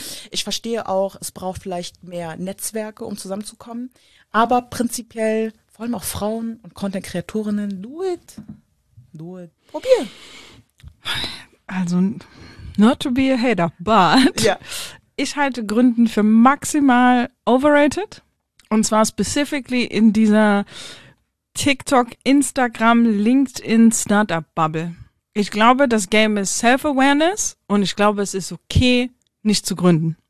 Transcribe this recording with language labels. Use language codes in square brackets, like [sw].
[de] Ich verstehe auch, es braucht vielleicht mehr Netzwerke, um zusammenzukommen. Aber prinzipiell, vor allem auch Frauen und Content-Kreatorinnen, [en] do it. Do it. [de] Probier. [en] Also, not to be a hater, but [de] ja. Ich halte Gründen für maximal overrated. Und zwar specifically in dieser TikTok, Instagram, LinkedIn, Startup-Bubble. Ich glaube, das Game ist Self-Awareness und ich glaube, es ist okay, nicht zu gründen.